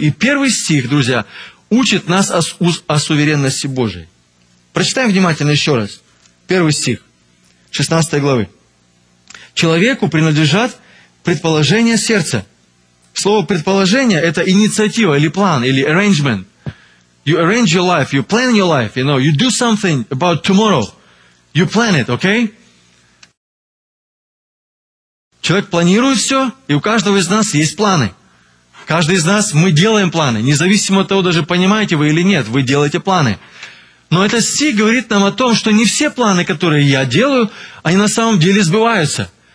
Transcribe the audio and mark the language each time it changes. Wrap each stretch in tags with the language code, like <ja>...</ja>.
<ru>И первый стих, друзья, учит нас о суверенности Божией. Прочитаем внимательно еще раз. Первый стих, 16 главы. Человеку принадлежат предположения сердца. Слово «предположение» – это инициатива, или план, или arrangement.</ru> <en>You arrange your life, you plan your life, you know, you do something about tomorrow. You plan it, okay?</en> <ru>Человек планирует все, и у каждого из нас есть планы. Каждый из нас, мы делаем планы, независимо от того, даже понимаете вы или нет, вы делаете планы. Но этот стих говорит нам о том, что не все планы, которые я делаю, они на самом деле сбываются.</ru>